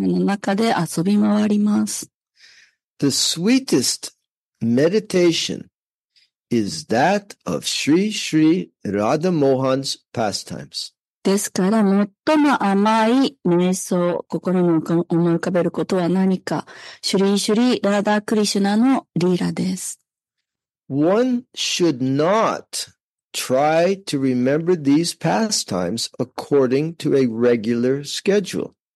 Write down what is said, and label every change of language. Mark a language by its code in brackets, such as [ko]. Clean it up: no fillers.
[ja] そして情欲や怒りといった犬や狼のようなものたちが頭の中で遊び回ります。 [en] The sweetest meditation is that of Sri Sri Radha Mohan's pastimes. [ja] ですから最も甘い瞑想を心に思い浮かべることは何か、シュリーシュリーラダクリシュナのリーラです。 [en] One should not try to remember these pastimes according to a regular schedule.